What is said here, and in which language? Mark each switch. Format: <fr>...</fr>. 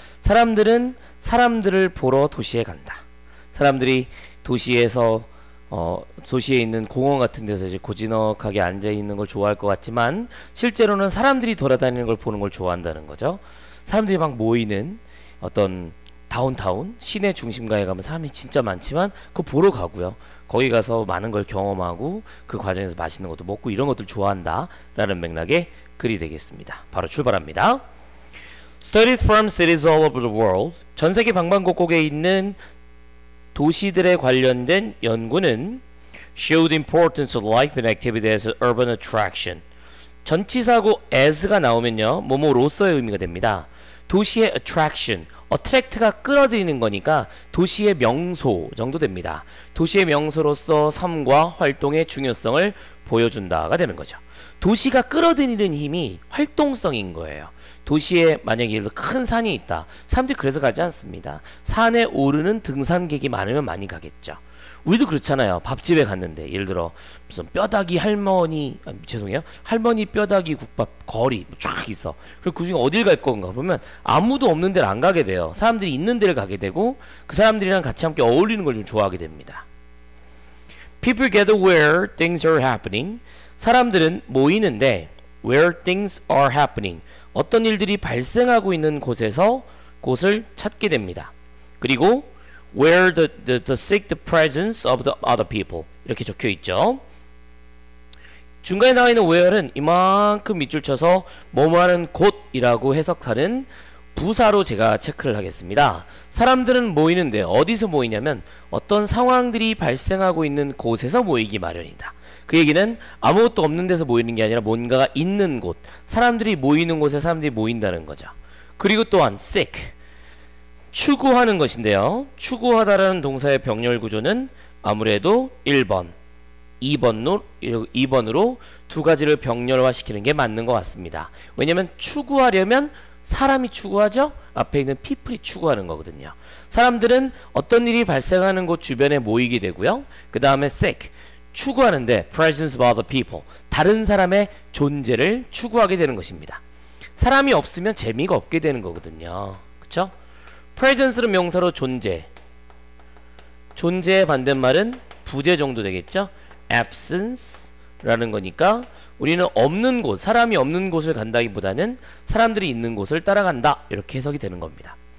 <ko>사람들은 사람들을 보러 도시에 간다. 사람들이 도시에서 도시에 있는 공원 같은 데서 이제 고즈넉하게 앉아 있는 걸 좋아할 것 같지만 실제로는 사람들이 돌아다니는 걸 보는 걸 좋아한다는 거죠. 사람들이 막 모이는 어떤 다운타운 시내 중심가에 가면 사람이 진짜 많지만 그거 보러 가고요. 거기 가서 많은 걸 경험하고 그 과정에서 맛있는 것도 먹고 이런 것들 좋아한다라는 맥락의 글이 되겠습니다. 바로 출발합니다.</ko> <en>Studied from cities all over the world.</en> <ko>전 세계 방방곡곡에 있는 도시들에 관련된 연구는</ko> <en>showed importance of life and activities as urban attraction.</en> <ko>전치사구 as가 나오면요, 뭐뭐로서의 의미가 됩니다. 도시의 attraction. attract가 끌어들이는 거니까 도시의 명소 정도 됩니다. 도시의 명소로서 삶과 활동의 중요성을 보여준다가 되는 거죠. 도시가 끌어들이는 힘이 활동성인 거예요. 도시에 만약에 예를 들어 큰 산이 있다. 사람들이 그래서 가지 않습니다. 산에 오르는 등산객이 많으면 많이 가겠죠. 우리도 그렇잖아요. 밥집에 갔는데 예를 들어 무슨 뼈다귀 할머니 죄송해요. 할머니 뼈다귀 국밥 거리 쫙 있어. 그리고 그중에 어딜 갈 건가 보면 아무도 없는 데를 안 가게 돼요. 사람들이 있는 데를 가게 되고 그 사람들이랑 같이 함께 어울리는 걸좀 좋아하게 됩니다.</ko> <en>People gather where things are happening.</en> <ko>사람들은 모이는데</ko> <en>where things are happening.</en> <ko>어떤 일들이 발생하고 있는 곳에서 곳을 찾게 됩니다. 그리고</ko> <en>Where the seek the presence of the other people</en> <ko>이렇게 적혀 있죠. 중간에 나와 있는 where는 이만큼 밑줄 쳐서 뭐뭐하는 곳이라고 해석하는 부사로 제가 체크를 하겠습니다. 사람들은 모이는데 어디서 모이냐면 어떤 상황들이 발생하고 있는 곳에서 모이기 마련이다. 그 얘기는 아무것도 없는 데서 모이는 게 아니라 뭔가가 있는 곳, 사람들이 모이는 곳에 사람들이 모인다는 거죠. 그리고 또한 seek. 추구하는 것인데요. 추구하다라는 동사의 병렬 구조는 아무래도 1번, 2번으로 두 가지를 병렬화 시키는 게 맞는 것 같습니다. 왜냐면 추구하려면 사람이 추구하죠? 앞에 있는 people이 추구하는 거거든요. 사람들은 어떤 일이 발생하는 곳 주변에 모이게 되고요. 그 다음에 seek. 추구하는데,</ko> <en>presence of other people.</en> <ko>다른 사람의 존재를 추구하게 되는 것입니다. 사람이 없으면 재미가 없게 되는 거거든요. 그쵸? Presence는 명사로 존재. 존재의 반대말은 부재 정도 되겠죠? Absence라는 거니까 우리는 없는 곳, 사람이 없는 곳을 간다기보다는 사람들이 있는 곳을 따라간다. 이렇게 해석이 되는 겁니다.</ko>